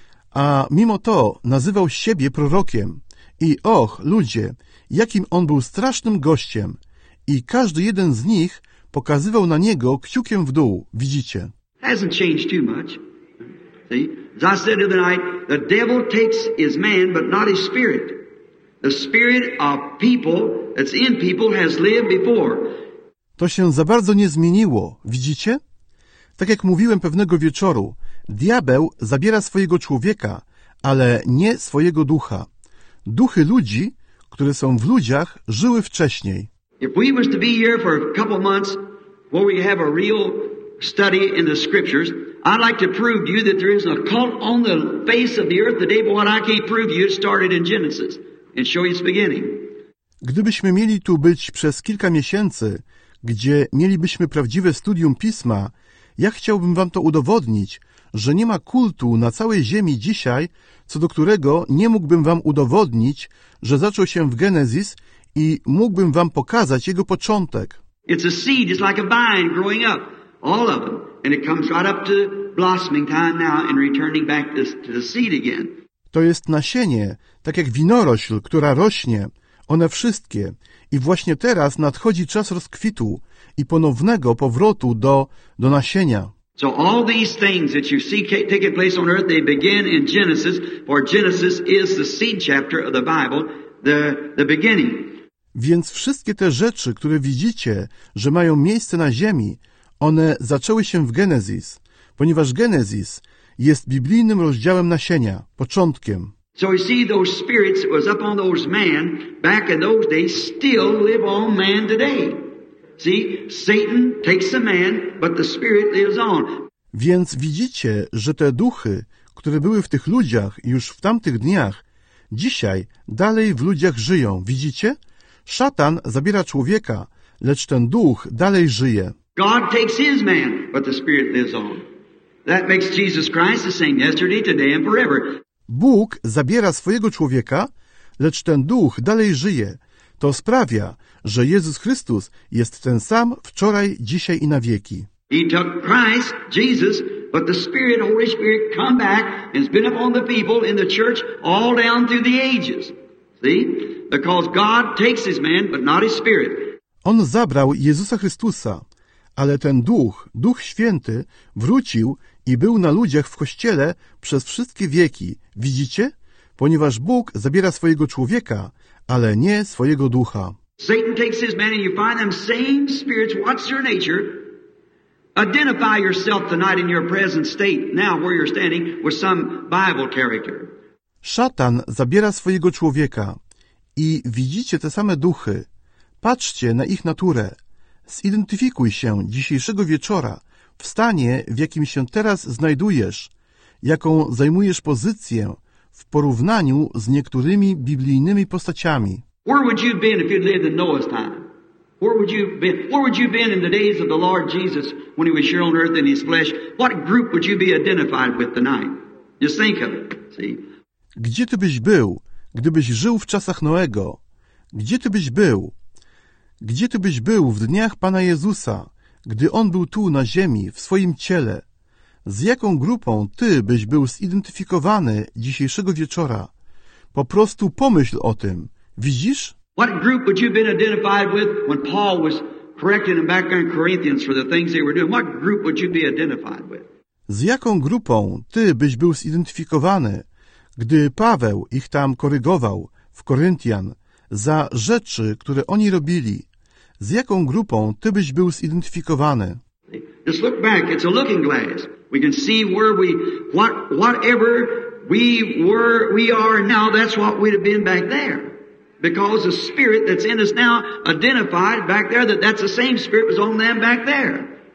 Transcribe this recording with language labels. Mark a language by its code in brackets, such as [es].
[pl] A mimo to nazywał siebie prorokiem. I och, ludzie, jakim on był strasznym gościem. I każdy jeden z nich pokazywał na niego kciukiem w dół. Widzicie? [en] Hasn't changed too much. See? As I said the other night, the devil takes his man, but not his spirit. The spirit of people that's in people has lived before. [pl] To się za bardzo nie zmieniło, widzicie? Tak jak mówiłem pewnego wieczoru, diabeł zabiera swojego człowieka, ale nie swojego ducha. Duchy ludzi, które są w ludziach, żyły wcześniej. [en] If we was to be here for a couple months where we have a real study in the scriptures, I'd like to prove to you that there is an occult on the face of the earth today, but what I can't prove to you, it started in Genesis and show you its beginning. [pl] Gdybyśmy mieli tu być przez kilka miesięcy, gdzie mielibyśmy prawdziwe studium Pisma, ja chciałbym wam to udowodnić, że nie ma kultu na całej ziemi dzisiaj, co do którego nie mógłbym wam udowodnić, że zaczął się w Genesis i mógłbym wam pokazać jego początek. [en] It's a seed, it's like a vine growing up, all of them, and it comes right up to blossoming time now and returning back to the seed again. [pl] To jest nasienie, tak jak winorośl, która rośnie, one wszystkie. I właśnie teraz nadchodzi czas rozkwitu i ponownego powrotu do nasienia. [en] So all these things that you see taking place on earth, they begin in Genesis, for Genesis is the seed chapter of the Bible, the beginning. [pl] Więc wszystkie te rzeczy, które widzicie, że mają miejsce na ziemi, one zaczęły się w Genesis, ponieważ Genesis jest biblijnym rozdziałem nasienia, początkiem. [en] So you see those spirits that was up on those men back in those days still live on man today. See, Satan takes the man, but the spirit lives on. [pl] Więc widzicie, że te duchy, które były w tych ludziach już w tamtych dniach, dzisiaj dalej w ludziach żyją. Widzicie? Szatan zabiera człowieka, lecz ten duch dalej żyje. [en] God takes his man, but the spirit lives on. That makes Jesus Christ the same yesterday, today and forever. [pl] Bóg zabiera swojego człowieka, lecz ten duch dalej żyje. To sprawia, że Jezus Chrystus jest ten sam wczoraj, dzisiaj i na wieki. [en] He took Christ, Jesus, but the Spirit, Holy Spirit, come back and has been upon the people in the church all down through the ages. See? Because God takes his man, but not his spirit. [pl] On zabrał Jezusa Chrystusa, ale ten duch, Duch Święty, wrócił i był na ludziach w Kościele przez wszystkie wieki. Widzicie? Ponieważ Bóg zabiera swojego człowieka, ale nie swojego ducha. [en] Satan takes his man and you find them same spirits. What's your nature? Identify yourself tonight in your present state, now where you're standing, with some Bible character. [pl] Szatan zabiera swojego człowieka. I widzicie te same duchy. Patrzcie na ich naturę. Zidentyfikuj się dzisiejszego wieczora w stanie, w jakim się teraz znajdujesz, jaką zajmujesz pozycję w porównaniu z niektórymi biblijnymi postaciami. [en] Where would you been if you'd lived in Noah's time? Where would you been? Where would you been in the days of the Lord Jesus when he was here on earth in his flesh? What group would you be identified with tonight? Just think of it. See? [pl] Gdzie ty byś był, gdybyś żył w czasach Noego? Gdzie ty byś był? Gdzie ty byś był w dniach Pana Jezusa, gdy On był tu na ziemi, w swoim ciele? Z jaką grupą ty byś był zidentyfikowany dzisiejszego wieczora? Po prostu pomyśl o tym. Widzisz? [en] What group would you have been identified with when Paul was correcting them back in Corinthians for the things they were doing? What group would you be identified with? [pl] Z jaką grupą ty byś był zidentyfikowany, gdy Paweł ich tam korygował w Koryntian za rzeczy, które oni robili? Z jaką grupą ty byś był zidentyfikowany? [en] Just look back. It's a looking glass. We can see where we, whatever we were, we are now, that's what we'd have been back there. Because the spirit that's in us now identified back there, that's the same spirit was on them back there.